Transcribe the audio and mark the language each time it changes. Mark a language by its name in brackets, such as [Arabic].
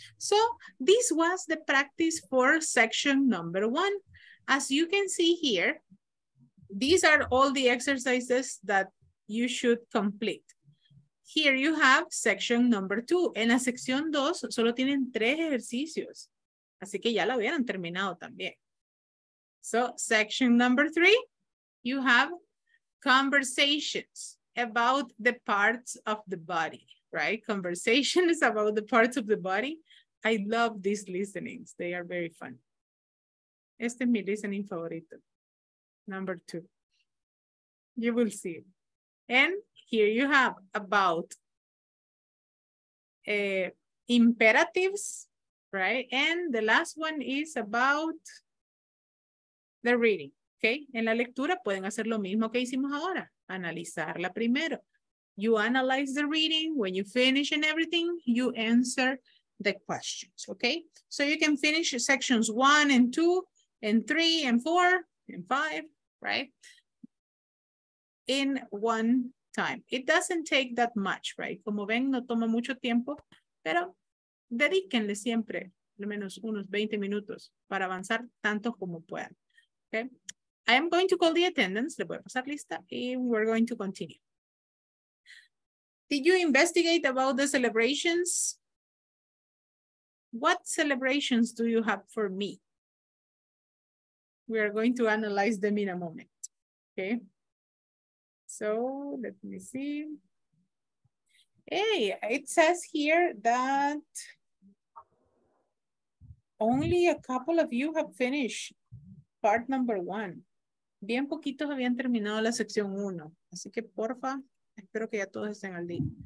[English] So this was the practice for section number one. As you can see here, these are all the exercises that you should complete. Here you have section number two. [Spanish] En la sección dos solo tienen tres ejercicios. Así que ya lo hubieran terminado también. [English] So, section number three, you have conversations about the parts of the body, right? Conversations about the parts of the body. I love these listenings. They are very fun. [Spanish] Este es mi listening favorito. [English] Number two. You will see. And here you have about imperatives, right? And the last one is about the reading, okay? [Spanish] En la lectura pueden hacer lo mismo que hicimos ahora, analizarla primero. [English] You analyze the reading, when you finish and everything, you answer the questions, okay? So you can finish sections one and two and three and four and five, right? In one time. It doesn't take that much, right? [Spanish] Como ven, no toma mucho tiempo, pero dedíquenle siempre al menos unos 20 minutos para avanzar tanto como puedan. [English] Okay? I am going to call the attendance. [Spanish] Le voy a pasar lista y [English] we're going to continue. Did you investigate about the celebrations? What celebrations do you have for me? We are going to analyze them in a moment. Okay. So let me see. Hey, it says here that only a couple of you have finished part number one. [Spanish] Bien poquitos habían terminado la sección uno. Así que porfa, espero que ya todos estén al día.